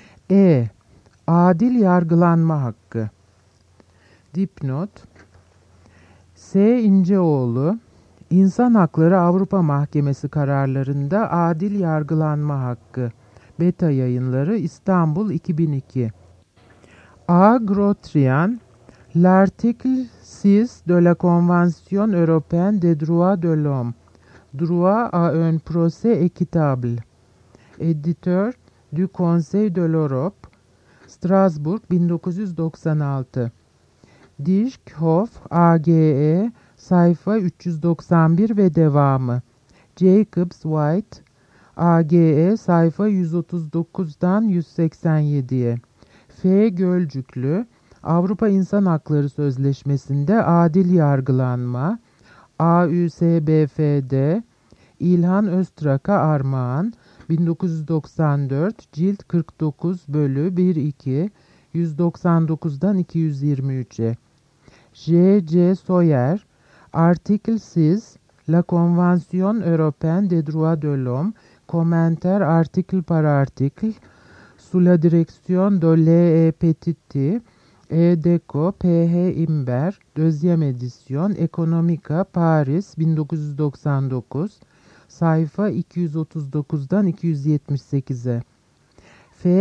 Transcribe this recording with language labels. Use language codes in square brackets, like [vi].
[tr] E. Adil yargılanma hakkı. Dipnot, S. İnceoğlu, İnsan Hakları Avrupa Mahkemesi kararlarında adil yargılanma hakkı. Beta Yayınları İstanbul 2002. A. [fr] Grotrian, L'article 6 de la Convention européenne des droits de l'homme. Droit à un procès équitable. Éditeur du Conseil de l'Europe. Strasbourg 1996. [tr] Dijkhoff AGE sayfa 391 ve devamı. Jacobs White AGE sayfa 139'dan 187'ye. F. Gölcüklü, Avrupa İnsan Hakları Sözleşmesi'nde adil yargılanma, AÜSBF'd, İlhan Öztrak'a armağan, 1994, cilt 49 bölü 1-2, 199'dan 223'e. J. C. [fr] Soyer, Article 6, La Convention Européenne des Droits de l'Homme, Commentaire article par article, sous la direction de L.E. [tr] Petiti, E. Deco, P.H. Imber, 2e édition, Economica, Paris, 1999, sayfa 239'dan 278'e. F.